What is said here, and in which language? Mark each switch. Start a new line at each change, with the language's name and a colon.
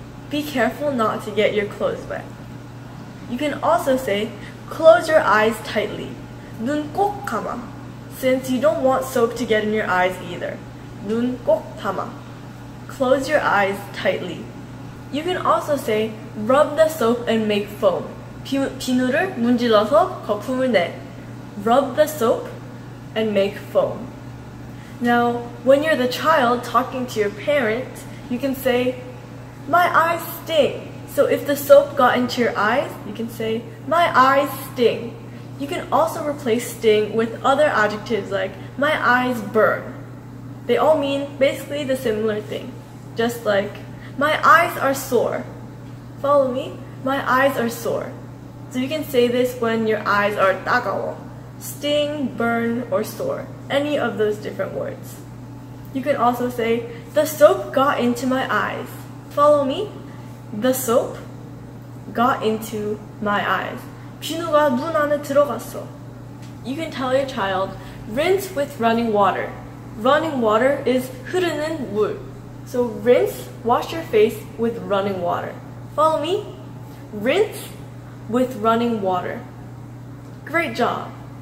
English: Be careful not to get your clothes wet. You can also say, close your eyes tightly.
Korean: 눈 꼭 감아.
English: Since you don't want soap to get in your eyes either.
Korean: 눈 꼭 감아.
English: Close your eyes tightly. You can also say, rub the soap and make foam.
Korean: 비누를 문질러서 거품을 내.
English: Rub the soap and make foam. Now, when you're the child talking to your parent, you can say, my eyes sting. So if the soap got into your eyes, you can say, my eyes sting. You can also replace sting with other adjectives like, my eyes burn. They all mean basically the similar thing. Just like, my eyes are sore. Follow me, my eyes are sore. So you can say this when your eyes are 따가워. Sting, burn, or sore. Any of those different words. You can also say, the soap got into my eyes. Follow me. The soap got into my eyes.
Korean: 비누가 눈 안에 들어갔어.
English: You can tell your child, rinse with running water. Running water is
Korean: 흐르는 물.
English: So rinse, wash your face with running water. Follow me. Rinse with running water. Great job.